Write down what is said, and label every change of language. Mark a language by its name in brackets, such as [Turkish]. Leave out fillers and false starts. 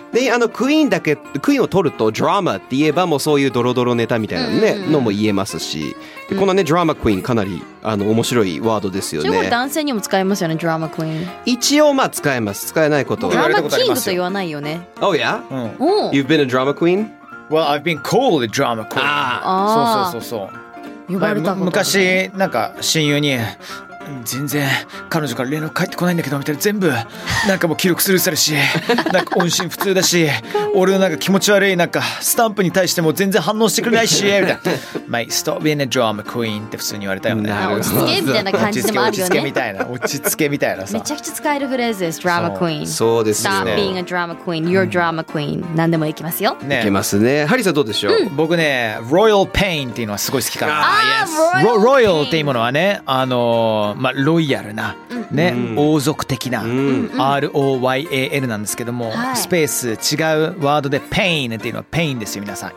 [Japanese] で、あの、クイーンだけ、クイーンを取るとドラマって言えば、もうそういうドロドロネタみたいな、ね、のも言えますし、で、このね、ドラマクイーン、かなり、あの、面白いワードですよね。結構男性にも使えますよね、ドラマクイーン。一応、まあ、使えます。使えないことは。ドラマキングと言わないよね。 [English] Oh yeah? You've been a drama queen? Well, I've been called a drama queen. [Japanese] ああ、そうそうそうそう。昔なんか親友に全然彼女から連絡返ってこないんだけどみたいな、全部なんかもう記録スルーされし、なんか音信不通だし、俺のなんか気持ち悪いなんかスタンプに対しても全然反応してくれないしみたいな。マイストップインエドラマクイーンって普通に言われたよね。落ち着けみたいな感じでもあるよね。落ち着け、落ち着けみたいな、落ち着けみたいなさ。めちゃくちゃ使えるフレーズです、ドラマクイーン。そうですね。 [English] Stop being a drama queen, you're a drama queen。 [Japanese] 何でもいきますよ。ね、いきますね。ハリーさんどうでしょう。うん、僕ね、ロイヤルペインっていうのはすごい好きかな。ああ、ロイヤルっていうものはね、まあ、ロイヤルな、ね、うん、王族的な、うん、R-O-Y-A-L なんですけども、うん、スペース違うワードで pain っていうのは pain ですよ、皆さん。